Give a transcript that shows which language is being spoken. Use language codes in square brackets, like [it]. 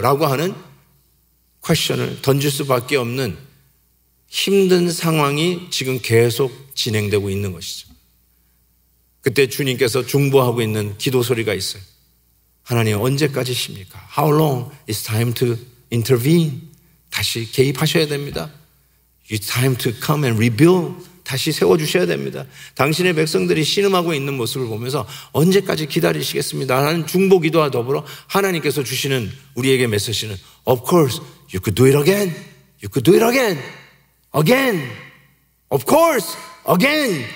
[ko] 라고 하는 퀘션을 던질 수밖에 없는 힘든 상황이 지금 계속 진행되고 있는 것이죠. 그때 주님께서 중보하고 있는 기도 소리가 있어요. 하나님 언제까지십니까? [en] How long? It's time to intervene. [ko] 다시 개입하셔야 됩니다. [en] It's time to come and rebuild. [ko] 다시 세워주셔야 됩니다. 당신의 백성들이 신음하고 있는 모습을 보면서 언제까지 기다리시겠습니다? 라는 중보 기도와 더불어 하나님께서 주시는 우리에게 메시지는 [en] Of course, you could do it again. You could do it again. Again. Of course, again.